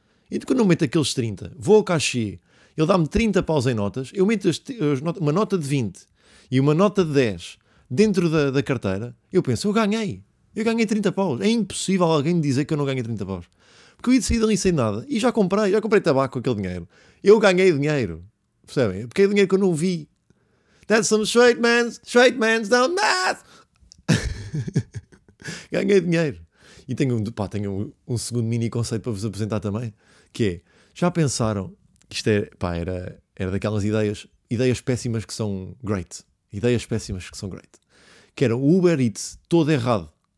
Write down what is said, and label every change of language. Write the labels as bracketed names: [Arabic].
[Portuguese] E de quando eu meto aqueles 30, vou ao cachê, ele dá-me 30 paus em notas, eu meto uma nota de 20 e uma nota de 10 dentro da carteira, eu penso, eu ganhei. Eu ganhei 30 paus. É impossível alguém me dizer que eu não ganhei 30 paus. Porque eu ia sair dali sem nada e já comprei tabaco com aquele dinheiro. Eu ganhei dinheiro. Percebem? Porque é dinheiro que eu não vi. [English] That's some straight man's down math. [Portuguese] Ganhei dinheiro. E tenho um segundo mini conceito para vos apresentar também, que é, já pensaram, isto é, pá, era daquelas ideias péssimas que são great. Ideias péssimas que são great. Que era o Uber Eats todo errado.